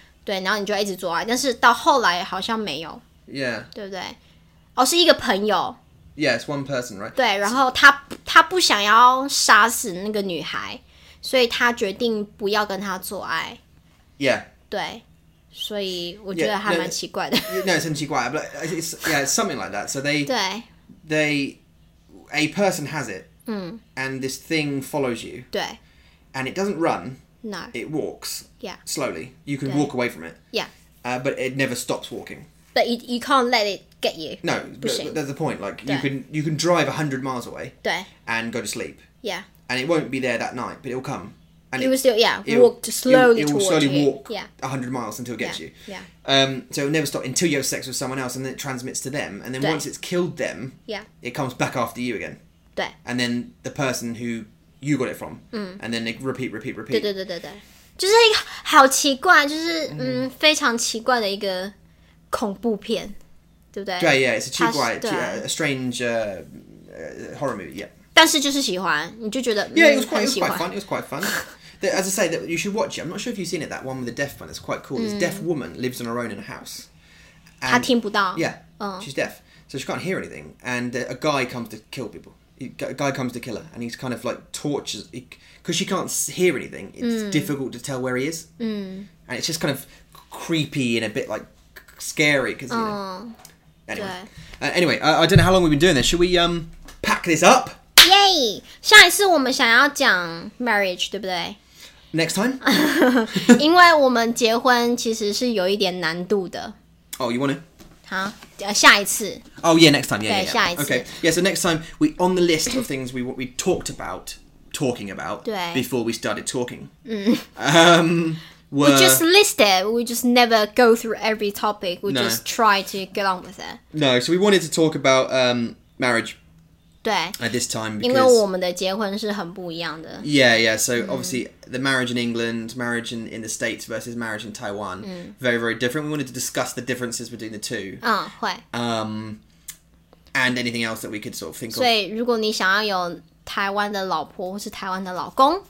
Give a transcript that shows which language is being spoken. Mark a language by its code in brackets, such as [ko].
[zh] 对，然后你就一直做爱，但是到后来好像没有 [en] yeah [zh] 对不对？哦，是一个朋友 [en] yeah it's one person right [zh] 对，然后他不想要杀死那个女孩，所以他决定不要跟他做爱 [en] yeah [zh] 对，所以我觉得还蛮奇怪的 [en] yeah, no it's [zh] 很奇怪 [en] but it's, yeah it's something like that so they [zh] 对 [en] theyA person has it, and this thing follows you. [zh] 对 [en] And it doesn't run. No. It walks. Yeah. Slowly. You can walk away from it. Yeah. But it never stops walking. But you can't let it get you. No, that's the point. Like, you can drive 100 miles away. [zh] 对 [en] And go to sleep. Yeah. And it won't be there that night, but it'll come. And it will still, yeah, walk slowly towards you. It will slowly walk yeah. 100 miles until it gets yeah. you. Yeah. So it'll never stop until you have sex with someone else and then it transmits to them. And then once it's killed them, yeah. it comes back after you again. [zh] 对 [en] And then the person who you got it from. And then they repeat. [zh] 对。就是一个好奇怪，就是非常奇怪的一个恐怖片，对不对？对 [en] yeah, it's a 奇怪 a strange horror movie, yeah. [zh] 但是就是喜欢，你就觉得 [en] yeah, it was quite fun. As I say, that you should watch it. I'm not sure if you've seen it. That one with the deaf one. It's quite cool. This deaf woman lives on her own in a house. [zh] 她听不到。 [en] Yeah, she's deaf, so she can't hear anything. And a guy comes to kill people. A guy comes to kill her, and he's kind of like tortures because she can't hear anything. It's difficult to tell where he is. And it's just kind of creepy and a bit like scary because you know. Anyway, I don't know how long we've been doing this. Should we pack this up? [zh] Yay! 下一次我们想要讲 marriage, 对不对 [en] ?Next time? [zh] 因为我们结婚其实是有一点难度的。 [en] Oh, you wanna? [zh] 好、huh? 下一次。 [en] Oh, yeah, next time, yeah, yeah, yeah. [zh] 下一次。 [en] Okay, yeah, so next time, we on the list of things we talked about, talking about, before we started talking. We just list it, we just never go through every topic, we just try to get on with it. No, so we wanted to talk about marriage. [zh] 对 [en] At this time, because, [zh] 因为我们的结婚是很不一样的 [en] Yeah, yeah, so obviously the marriage in England, marriage in the States versus marriage in Taiwan, very, very different. We wanted to discuss the differences between the two. [zh] 会 [en] And anything else that we could sort of think [zh] 所以 如果你想要有台湾的老婆或是台湾的老公